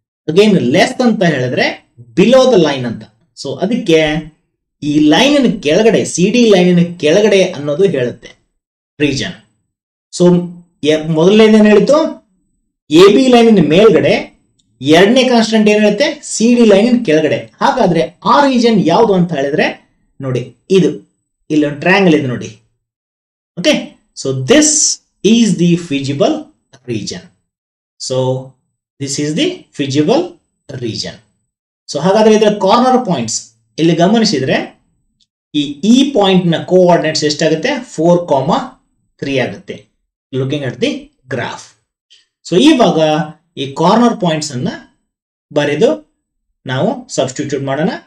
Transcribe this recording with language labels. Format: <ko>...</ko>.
<kn>Again less ಅಂತ ಹೇಳಿದ್ರೆ</kn> <en>below the line</en> <kn>ಅಂತ. ಸೊ ಅದಕ್ಕೆ ಈ ಲೈನ್ ಕೆಳಗಡೆ, ಸಿ ಡಿ ಲೈನ್ ಕೆಳಗಡೆ ಅನ್ನೋದು ಹೇಳುತ್ತೆ ರೀಜನ್. ಸೊ ಮೊದಲನೇದ ಏನ್ ಹೇಳಿತ್ತು, ಎ ಬಿ ಲೈನ್ ಮೇಲ್ಗಡೆ, ಎರಡನೇ ಕಾನ್ಸ್ಟೆಂಟ್ ಏನ್ ಹೇಳುತ್ತೆ, ಸಿ ಡಿ ಲೈನ್ ಕೆಳಗಡೆ. ಹಾಗಾದ್ರೆ ಆ ರೀಜನ್ ಯಾವುದು ಅಂತ ಹೇಳಿದ್ರೆ ನೋಡಿ, ಇದು ಇಲ್ಲಿ ಒಂದು ಟ್ರಯಾಂಗಲ್ ಇದೆ ನೋಡಿ.</kn> <en>Okay, so this is the feasible region. So this is the feasible region.</en> <kn>So ಹಾಗಾದ್ರೆ ಇದರ ಕಾರ್ನರ್ ಪಾಯಿಂಟ್ಸ್ ಇಲ್ಲಿ ಗಮನಿಸಿದ್ರೆ, ಈ ಪಾಯಿಂಟ್ ನ ಕೋಆರ್ಡಿನೇಟ್ಸ್ ಎಷ್ಟಾಗುತ್ತೆ, 4,3 ಆಗುತ್ತೆ,</kn> <en>Looking at the graph.</en> <kn>So ಇವಾಗ ಈ ಕಾರ್ನರ್ ಪಾಯಿಂಟ್ಸ್ ಅನ್ನ ಬರೆದು ನಾವು ಸಬ್ಸ್ಟಿಟ್ಯೂಟ್ ಮಾಡೋಣ.</kn>